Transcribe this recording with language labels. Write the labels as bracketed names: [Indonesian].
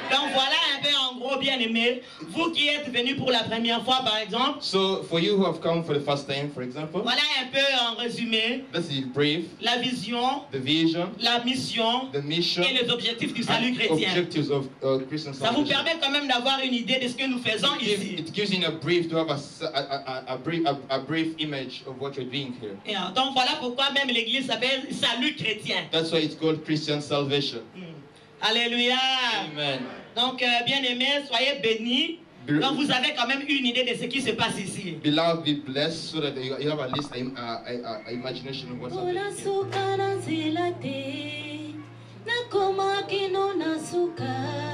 [French] Donc voilà un peu en gros bien aimé. Vous qui êtes venus pour la première fois par exemple. [English] So for you who have come for the first time, for example. [French] Voilà un peu en résumé. [English] This is brief. [French] La vision. [English] The vision. [French] La mission. [English] The mission. [French] Et les objectifs du salut chrétien. [English] Objectives of Christian salvation. [French] Ça vous permet quand même d'avoir une idée de ce que nous faisons ici. [English] It gives you a brief to have a brief image of what you're doing here. [French] Yeah, donc voilà pourquoi même l'église s'appelle Salut Chrétien. [English] That's why it's called Christian Salvation. [French] Mm. Alléluia. [English] Amen. [French] Donc bien-aimés, soyez bénis. Donc vous avez quand même une idée de ce qui se passe ici. [English] Beloved, be blessed so that you have at least an imagination of what's happening.